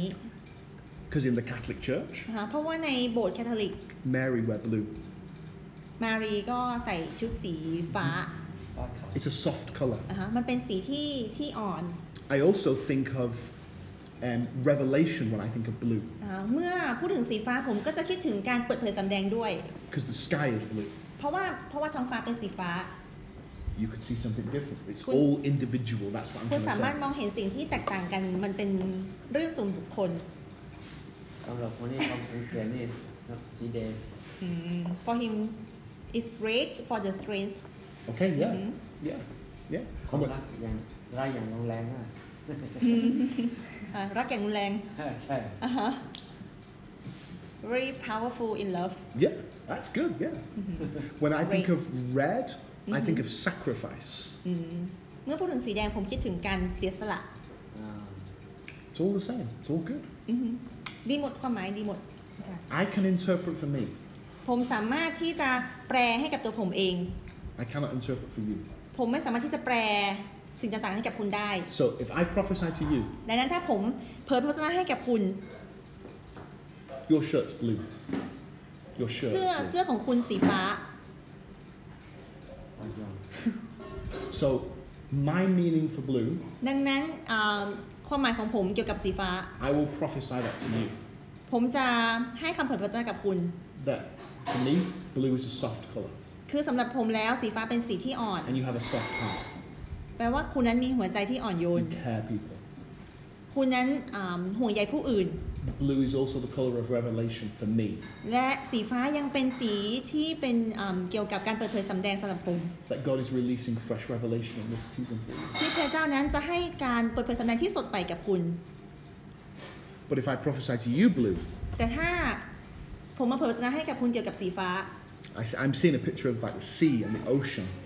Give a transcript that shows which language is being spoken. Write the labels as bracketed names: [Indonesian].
[English] Because in the Catholic Church. [Thai] เพราะว่าในโบสถ์คาทอลิก [English] Mary wear blue. [Thai] Mary ก็ใส่ชุดสีฟ้า [English] It's a soft color. [Thai] มันเป็นสีที่อ่อน [English] I also think of. Revelation when I think of blue. [Thai] เมื่อพูดถึงสีฟ้าผมก็จะคิดถึงการเปิดเผยสำแดงด้วย [English] Because the sky is blue. [Thai] เพราะว่าท้องฟ้าเป็นสีฟ้า [English] You could see something different. It's all individual. That's what I'm trying to say. [Thai] คุณสามารถมองเห็นสิ่งที่แตกต่างกันมันเป็นเรื่องส่วนบุคคล สำหรับคนที่ทำเกนี่สีแดง [English] For him, it's red for the strength. Okay. Yeah. [Thai] ความรักอย่างไรอย่างแรงมาก รักอย่างรุนแรง ใช่ [English] very powerful in love yeah that's good yeah when I think of red I think of sacrifice [Thai] เมื่อพูดถึงสีแดงผมคิดถึงการเสียสละ [English] it's all the same it's all good [Thai] ดีหมดความหมายดีหมด [English] I can interpret for me [Thai] ผมสามารถที่จะแปลให้กับตัวผมเอง [English] I cannot interpret for you [Thai] ผมไม่สามารถที่จะแปลสิ่งต่างๆให้กับคุณได้ [English] So if I prophesy to you [Thai] ดังนั้นถ้าผมเผยพระวจนะให้กับคุณ [English] Your shirt's blue Your shirt [Thai] เสื้อของคุณสีฟ้า [English] So my meaning for blue [Thai] ดังนั้นความหมายของผมเกี่ยวกับสีฟ้า [English] I will prophesy that to you [Thai] ผมจะให้คำเผยพระวจนะกับคุณ [English] That to me blue is a soft color [Thai] คือสำหรับผมแล้วสีฟ้าเป็นสีที่อ่อน [English] And you have a soft heart [Thai] แปลว่าคุณนั้นมีหัวใจที่อ่อนโยน [English] You care people [Thai] คุณนั้นห่วงใยผู้อื่น [English] Blue is also the color of revelation for me [Thai] และสีฟ้ายังเป็นสีที่เป็นเกี่ยวกับการเปิดเผยสำแดงสำหรับผม [English] That God is releasing fresh revelation in this season for you [Thai] ที่พระเจ้านั้นจะให้การเปิดเผยสำแดงที่สดใหม่กับคุณ [English] But if I prophesy to you blue [Thai] แต่ถ้าผมมาเผยพระวจนะให้กับคุณเกี่ยวกับสีฟ้า [English] I'm seeing a picture of like the sea and the ocean